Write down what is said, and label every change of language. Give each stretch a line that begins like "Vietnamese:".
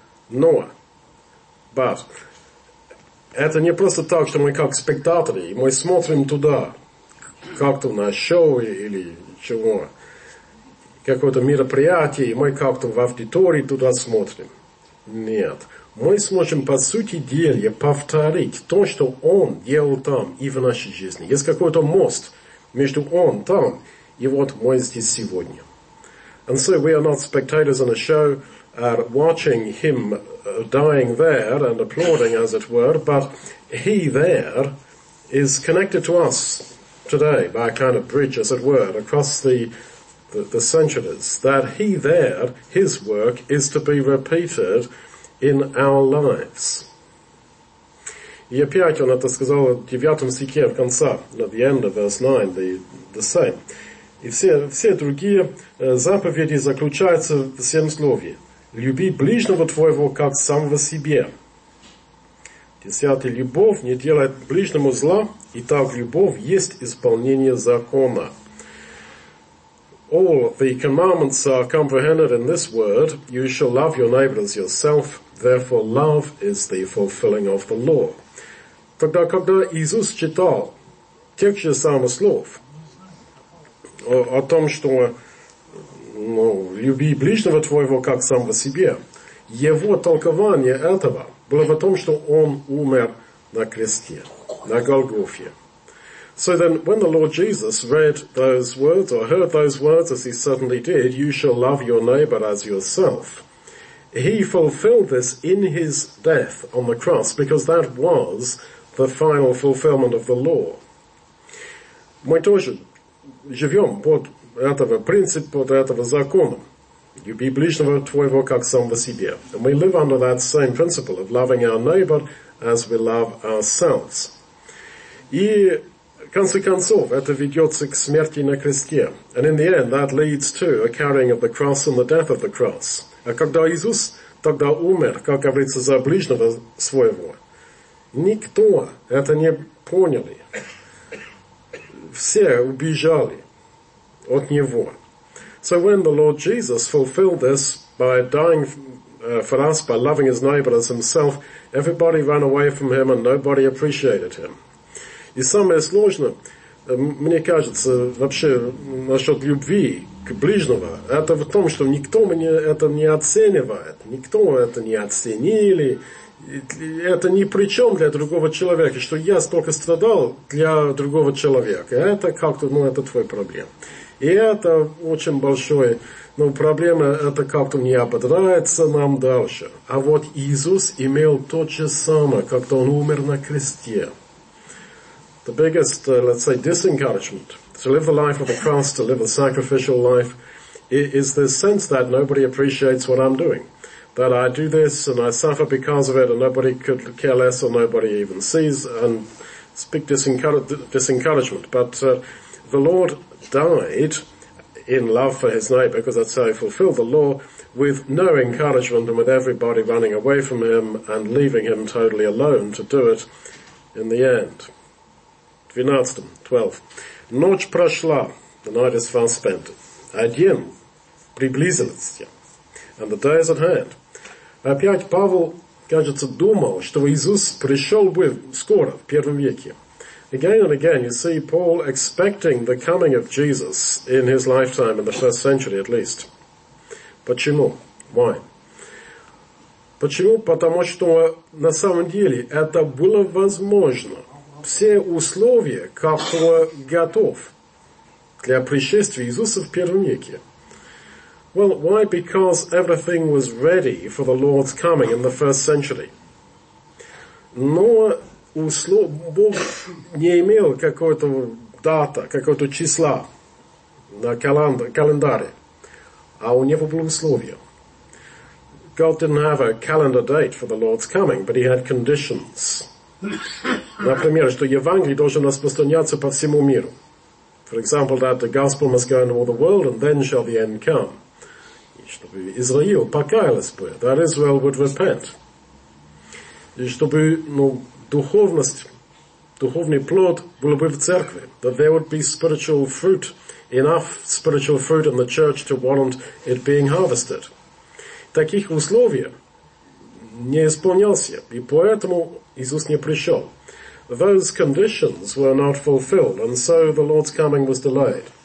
Russian: Но,
English: but,
Russian: это не просто так, что мы как спектаторы, мы смотрим туда, как-то на шоу или чего, какое-то мероприятие, и мы как-то в аудитории туда смотрим. Нет. Мы сможем, по сути дела, повторить то, что он делал там и в нашей жизни. Есть какой-то мост между он там и вот мы здесь сегодня.
English: And so we are not spectators on a show, watching him dying there and applauding, as it were, but he there is connected to us today by a kind of bridge, as it were, across the centuries. That he there, his work, is to be repeated in our lives.
Russian: И опять он это сказал в девятом стихе в конце,
English: at the end of verse 9, the same.
Russian: И все другие заповеди заключаются в всем слове. Люби ближнего твоего, как самого себе. Десятый, любовь не делает ближнему зла, и так любовь есть исполнение закона.
English: All the commandments are comprehended in this word, you shall love your neighbor as yourself, therefore love is the fulfilling of the law.
Russian: Тогда, когда Иисус читал тех же самых слов о том, что люби ближнего твоего, как самого себе, его толкование этого было в том, что он умер на кресте, на Голгофе.
English: So then, when the Lord Jesus read those words, or heard those words, as he certainly did, you shall love your neighbor as yourself, he fulfilled this in his death on the cross, because that was the final fulfillment of the law.
Russian: Мы тоже живем под этого принципа, под этого закона. Люби ближнего твоего, как самого себе.
English: And we live under that same principle of loving our neighbor as we love ourselves.
Russian: И в конце концов, это ведется к смерти на кресте.
English: And in the end, that leads to a carrying of the cross and the death of the cross.
Russian: А когда Иисус тогда умер, как говорится, за ближнего своего, никто это не поняли. Все убежали от Него.
English: So when the Lord Jesus fulfilled this by dying for us, by loving His neighbor as Himself, everybody ran away from Him and nobody appreciated Him.
Russian: И самое сложное, мне кажется, вообще насчет любви к ближнего, это в том, что никто мне это не оценивает, никто это не оценили, это ни при чем для другого человека, что я столько страдал для другого человека, это как-то, это твой проблем. И это очень большое, проблема, это как-то не ободрается нам дальше. А вот Иисус имел то же самое, когда Он умер на кресте.
English: The biggest, let's say, disencouragement to live the life of the cross, to live a sacrificial life, is the sense that nobody appreciates what I'm doing. That I do this and I suffer because of it and nobody could care less or nobody even sees. And it's big disencouragement. But the Lord died in love for his neighbor, because that's how he fulfilled the law, with no encouragement and with everybody running away from him and leaving him totally alone to do it in the end. 12.
Russian: Ночь прошла,
English: the night is far spent.
Russian: А день приблизился,
English: and the day is at hand.
Russian: Опять Павел, кажется, думал, что Иисус пришел бы скоро, в первом веке.
English: Again and again, you see Paul expecting the coming of Jesus in his lifetime, in the first century at least.
Russian: Почему?
English: Why?
Russian: Почему? Потому что на самом деле это было возможно. Все условия как-то готов для пришествия Иисуса в первом веке.
English: Well, why? Because everything was ready for the Lord's coming in the first century.
Russian: Но Бог не имел какой-то дата, какого-то числа на календаре. А у него было условие.
English: God didn't have a calendar date for the Lord's coming, but he had conditions.
Russian: Например, что Евангелие должно распространяться по всему миру.
English: For example, that the gospel must go into all the world, and then shall the end come.
Russian: И чтобы Израиль покаялась бы,
English: that Israel would repent.
Russian: И чтобы духовность, духовный плод был бы в церкви,
English: that there would be spiritual fruit, enough spiritual fruit in the church to warrant it being harvested.
Russian: Таких условий не исполнялся, и поэтому Иисус не пришел.
English: Those conditions were not fulfilled, and so the Lord's coming was delayed.